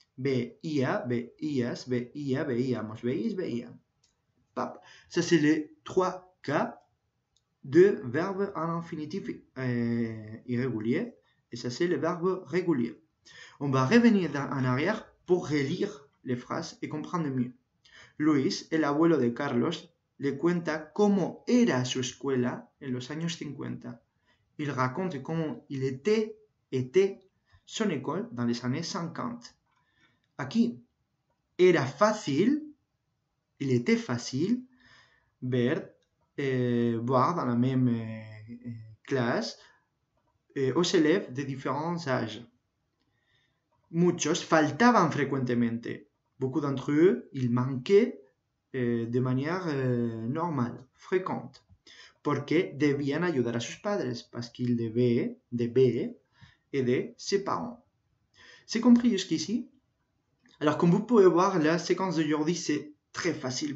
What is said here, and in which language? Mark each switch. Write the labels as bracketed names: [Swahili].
[Spanish] Veía, veías, veía, veíamos, veis, veían. Pap. [French] Ça, c'est les trois cas de verbes en infinitif irrégulier. Et ça, c'est le verbe régulier. On va revenir en arrière pour relire les phrases et comprendre mieux. [Spanish] Luis, el abuelo de Carlos, le cuenta cómo era su escuela en los años 50. [French] Il raconte cómo il était son école dans les années 50. [Spanish] Aquí, era fácil, [French] il était facile, ver, voir dans la même classe aux élèves de différents âges. [Spanish] Muchos faltaban frecuentemente. [French] Beaucoup d'entre eux, ils manquaient de manière normale, fréquente. [Spanish] Porque debían ayudar a sus padres, [French] parce qu'ils devaient aider ses parents. C'est compris jusqu'ici? Alors, comme vous pouvez voir, la séquence d'aujourd'hui, c'est très facile.